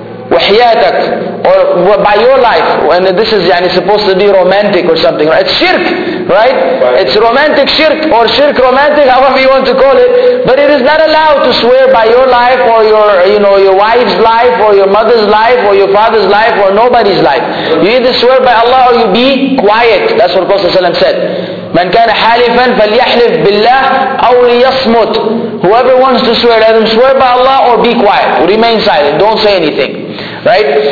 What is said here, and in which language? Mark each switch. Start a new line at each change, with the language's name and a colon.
Arabic: وحياتك,
English: or by your life, and this is yani supposed to be romantic or something, right? It's shirk, right? It's romantic shirk, or shirk romantic, however you want to call it, but it is not allowed to swear by your life or your, you know, your wife's life or your mother's life or your father's life or nobody's life. You either swear by Allah or you be quiet. That's what Prophet said,
Arabic: من كان حالفا فليحلف بالله أو ليصمت.
English: Whoever wants to swear, let him swear by Allah or be quiet, remain silent, don't say anything, right?